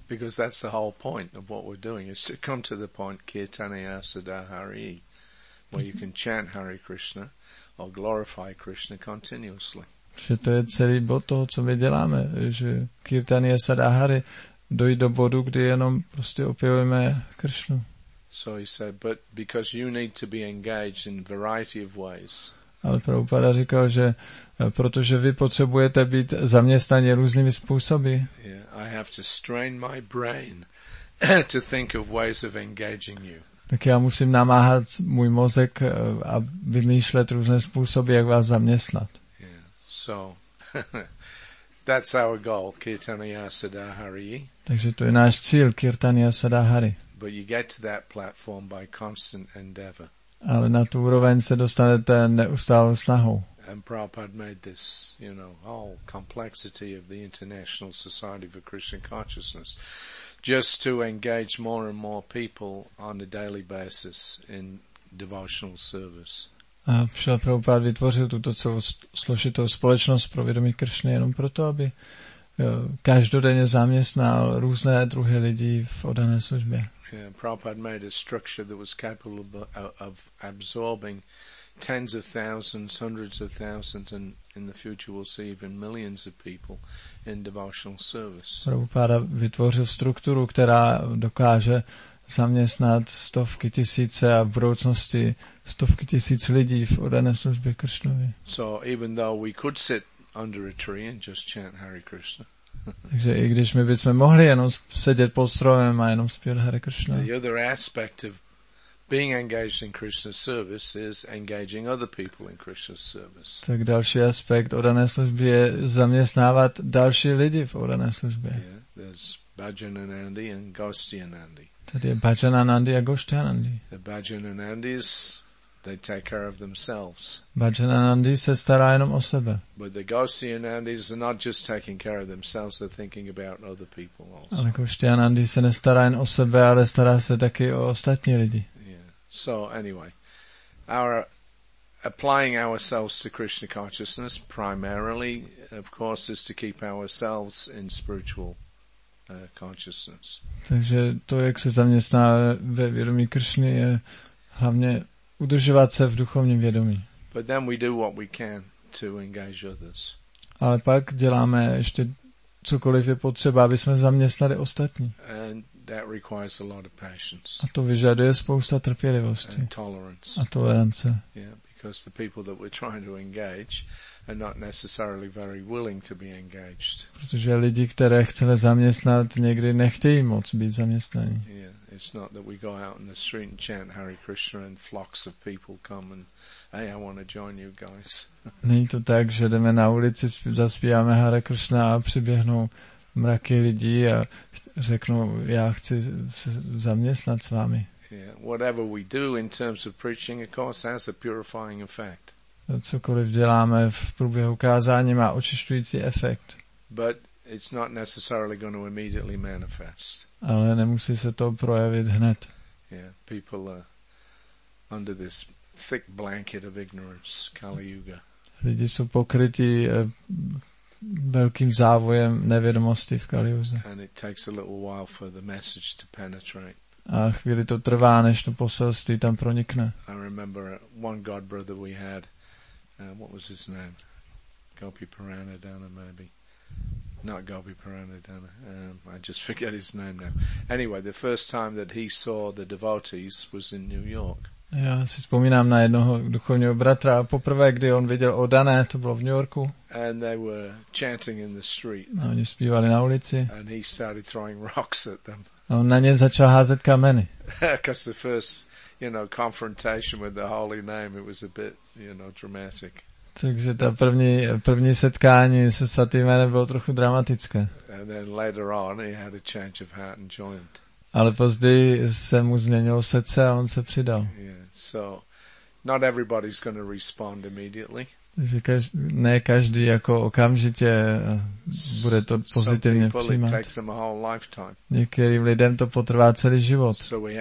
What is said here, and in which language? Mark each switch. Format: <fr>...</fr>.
<en>Because that's the whole point of what we're doing, is to come to the point Kirtaniya Sada Hari, where you can chant Hare Krishna or glorify Krishna continuously.</en> <cs>Že to je celý bod toho, co my děláme, že Kirtaniya Sada Hari dojít do bodu, kdy jenom prostě opěvujeme Krishnu.</cs> <en>So he said, but because you need to be engaged in variety of ways.</en> <cs>Ale Prabhupada říkal, že protože vy potřebujete být zaměstnaní různými způsoby.</cs> <en>Yeah, I have to strain my brain to think of ways of engaging you.</en> <cs>Tak já musím namáhat můj mozek a vymýšlet různé způsoby, jak vás zaměstnat.</cs> <en>Yeah, so that's our goal, Kirtaniya Sada Hari.</en> <cs>Takže to je náš cíl, Kirtaniya Sada Hari.</cs> <en>But you get to that platform by constant endeavor.</en> <cs>Ale na tu úroveň se dostanete neustálou snahou.</cs> <en>And Prabhupada made this, you know, whole complexity of the International Society for Christian Consciousness just to engage more and more people on a daily basis in devotional service.</en> <cs>A Šila Prabhupád vytvořil tuto celou složitou společnost pro vědomí Kršny jenom proto, aby každodenně zaměstnal různé druhy lidí v odané službě.</cs> <en>Yeah, Prabhupád made a structure that was capable of absorbing tens of thousands, hundreds of thousands, and in the future we'll see even millions of people in devotional service.</en> <cs>Prabhupáda vytvořil strukturu, která dokáže zaměstnat stovky tisíce a v budoucnosti stovky tisíc lidí v odané službě Kršnovi.</cs> <en>So even though we could sit under a tree and just chant Hare Krishna.</en> <cs>Takže i když my bychom mohli jenom sedět pod stromem a jenom zpívat Hare Krishna.</cs> <en>The other aspect of being engaged in Krishna's service is engaging other people in Krishna's service.</en> <cs>Tak další aspekt odané služby je zaměstnávat další lidi v odané službě.</cs> <en>Yeah, there's Bhajanandi and Gostiyanandi.</en> <cs>Tady je Bhajanandi a Gostiyanandi.</cs> <en>The Bhajanandis, they take care of themselves.</en> <cs>Bhajanandi se stará jenom o sebe.</cs> <en>But the Gostiyanandis are not just taking care of themselves, they're thinking about other people also.</en> <cs>Ale Gostiyanandi se nestará jen o sebe, ale stará se taky o ostatní lidi.</cs> <en>Yeah. So anyway, our applying ourselves to Krishna consciousness primarily, of course, is to keep ourselves in spiritual consciousness.</en> <cs>Takže to, jak se zaměstná ve vědomí Kršny, je hlavně udržovat se v duchovním vědomí.</cs> <en>But then we do what we can to engage others.</en> <cs>Ale pak děláme ještě cokoliv je potřeba, aby jsme zaměstnali ostatní.</cs> <en>And that requires a lot of patience.</en> <cs>A to vyžaduje spousta trpělivosti.</cs> <en>And tolerance.</en> <cs>A tolerance.</cs> <en>Yeah, because the people that we're trying to engage are not necessarily very willing to be engaged.</en> <cs>Protože lidi, které chceme zaměstnat, někdy nechtějí moc být zaměstnaní.</cs> <en>Yeah, it's not that we go out in the street and chant Hare Krishna and flocks of people come and hey, I want to join you guys.</en> <cs>Není to tak, že jdeme na ulici, zaspíváme Hare Krishna a přiběhnou mraky lidí a řeknou, já chci se zaměstnat s vámi.</cs> <en>Yeah, whatever we do in terms of preaching, of course, has a purifying effect.</en> <cs>Cokoliv děláme v průběhu kázání, má očišťující efekt.</cs> <en>But it's not necessarily going to immediately manifest.</en> <cs>Ale nemusí se to projevit hned.</cs> <en>Yeah, people are under this thick blanket of ignorance, Kali Yuga.</en> <cs>Lidi jsou pokrytí velkým závojem nevědomosti v Kali Yuze.</cs> <en>And it takes a little while for the message to penetrate.</en> <cs>A chvíli to trvá, než to poselství tam pronikne.</cs> <en>I remember one god brother we had. What was his name? Gopi Puranadana, maybe. Not Gopi Puranadana. I just forget his name now. Anyway, the first time that he saw the devotees was in New York.</en> <cs>Já si vzpomínám na jednoho duchovního bratra. Poprvé, kdy on viděl Odané, to bylo v New Yorku.</cs> <en>And they were chanting in the street.</en> <cs>A oni zpívali na ulici.</cs> <en>And he started throwing rocks at them.</en> <cs>A on na ně začal házet kameny.</cs> <en>Because the first, you know, confrontation with the holy name, it was a bit, you know, dramatic.</en> <cs>Takže ta první setkání se svatým jménem bylo trochu dramatické.</cs> <en>And then later on, he had a change of heart and joined.</en> <cs>Ale později se mu změnilo srdce a on se přidal.</cs> <en>Yeah, so not everybody's going to respond immediately.</en> <cs>Takže ne každý jako okamžitě bude to pozitivně přijímat. Některým lidem to potrvá celý život.</cs>